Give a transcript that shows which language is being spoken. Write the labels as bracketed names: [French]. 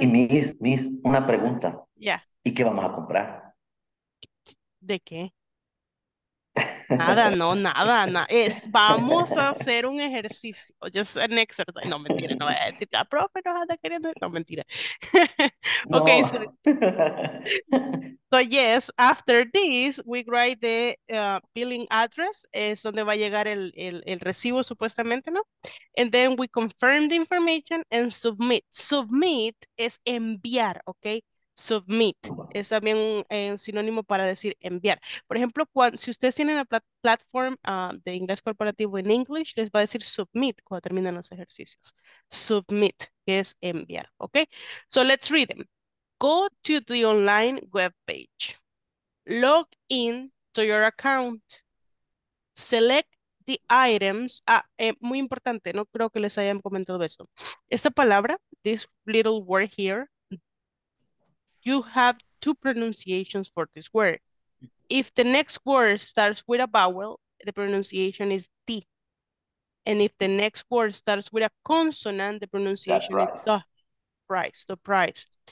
[Spanish] Y Miss, una pregunta. Ya. Yeah. ¿Y qué vamos a comprar? ¿De qué? Nada, no, nada, nada. Vamos a hacer un ejercicio. [English] Just an exercise. [Spanish] No, mentira, no voy a decir la profe nos anda queriendo. No, mentira. No. [English] Ok, so yes, after this, we write the billing address. [Spanish] Es donde va a llegar el recibo, supuestamente, ¿no? [English] And then we confirm the information and submit. [Spanish] Submit es enviar, ¿ok? Submit es también un sinónimo para decir enviar. Por ejemplo, si ustedes tienen la plataforma de inglés corporativo en English, les va a decir submit cuando terminan los ejercicios. [English] Submit, [Spanish] que es enviar. [English] Ok, so let's read them. Go to the online webpage. Log in to your account. Select the items. [Spanish] Muy importante, no creo que les hayan comentado esto. Esta palabra, [English] this little word here, you have 2 pronunciations for this word. If the next word starts with a vowel, the pronunciation is T. And if the next word starts with a consonant, the pronunciation is the price, the price.